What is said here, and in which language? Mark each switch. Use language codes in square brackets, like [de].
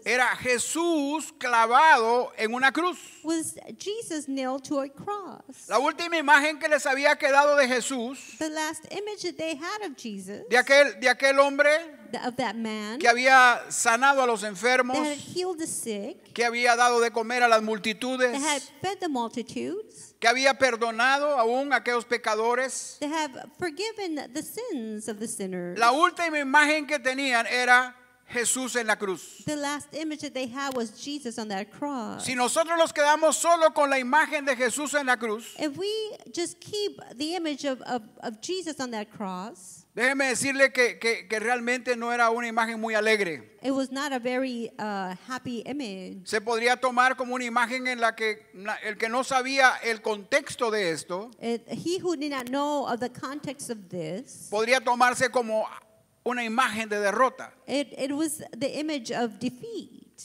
[es] era Jesús clavado en una cruz. [en] Was Jesus nailed to a cross. [es] La última imagen que les había quedado de Jesús, [en] the last image that they had of Jesus, [es] de aquel hombre, [en] of that man, [es] que había sanado a los enfermos, [en] that had healed the sick, [es] que había dado de comer a las multitudes, [en] that had fed the multitudes, [es] que había perdonado aún a aquellos pecadores, [en] that have forgiven the sins of the sinners. [es] La última imagen que tenían era Jesús en la cruz. [en] The last image that they had was Jesus on that cross. [es] Si nosotros nos quedamos solo con la imagen de Jesús en la cruz, [en] if we just keep the image of Jesus on that cross, [es] déjeme decirle que realmente no era una imagen muy alegre. [en] It was not a very happy image. [es] Se podría tomar como una imagen en la que el que no sabía el contexto de esto, [en] he who did not know of the context of this, [es] podría tomarse como una imagen de derrota. [en] It was the image of defeat.